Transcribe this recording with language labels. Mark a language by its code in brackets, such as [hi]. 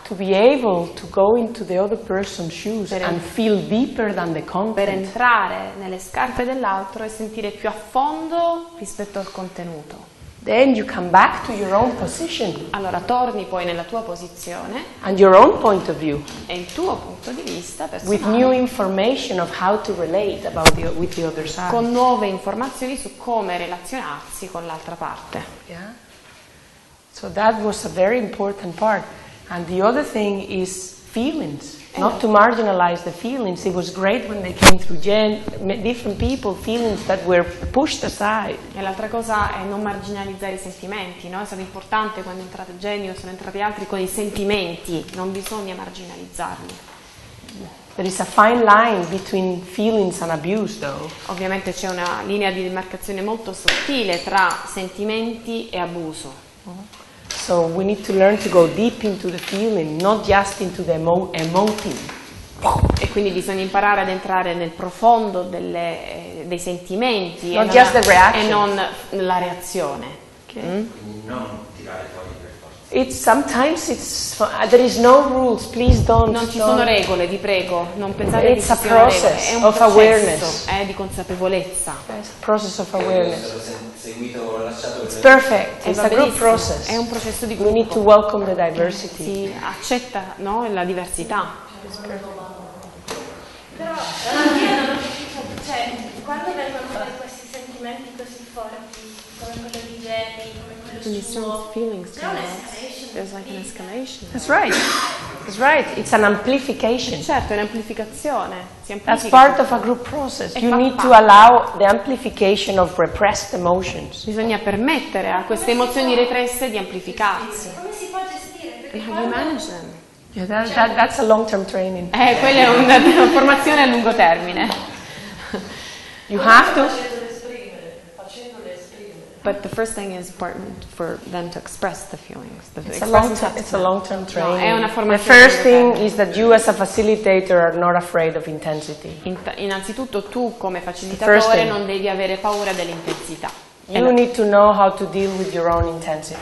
[en] To be able to go into the other person's shoes and feel deeper than the content. [it] Per entrare nelle scarpe dell'altro e sentire più a fondo rispetto al contenuto. [en] Then you come back to your own position. [it] Allora torni poi nella tua posizione. [en] And your own point of view. [it] E il tuo punto di vista personale. [en] With new information of how to relate about the, with the other side. [it] Con nuove informazioni su come relazionarsi con l'altra parte. [en] Yeah. So that was a very important part. And the other thing is feelings. Not to marginalize the feelings. It was great when they came through different people, feelings that were pushed aside. [it] E l'altra cosa è non marginalizzare i sentimenti, no? È stato importante quando è entrato Jenny o sono entrati altri con i sentimenti. Non bisogna marginalizzarli. [en] There is a fine line between feelings and abuse, though. [it] Ovviamente c'è una linea di demarcazione molto sottile tra sentimenti e abuso. [en] So we need to learn to go deep into the feeling, not just into the emoting. [it] E quindi bisogna imparare ad entrare nel profondo dei sentimenti [en] not just the reaction. [it] E non la reazione. Okay. Non tirare fuori le forze. [en] It's sometimes there is no rules, please don't. [it] Non ci sono regole, vi prego, non pensate che sia process regole. È un [en] of [it] processo, [en] awareness. [it] È di consapevolezza. [en] It's process of awareness. [it] Seguito, [en] it's perfect. It's a group process. [it] È un processo di gruppo. [en] We need to welcome the diversity. [it] Si accetta, no, la diversità. Però cioè, quando vengono questi sentimenti così forti, come quello di Jenny, come quello [en] di Sue, there's like an escalation. That's right. That's right. It's an amplification. [it] Certo, è un'amplificazione. [en] That's part of a group process. You need to allow the amplification of repressed emotions. [it] Bisogna permettere a queste emozioni represse di amplificarsi. Come si può gestire? [en] How do you manage them? Yeah, that's a long-term training. [it] Quella è una formazione a lungo termine. [en] You have to. But the first thing is important for them to express the feelings. It's a long-term training. [it] No, è una formazione. [en] The first thing is that you as a facilitator are not afraid of intensity. [it] Innanzitutto tu come facilitatore non devi avere paura dell'intensità. [en] You need to know how to deal with your own intensity.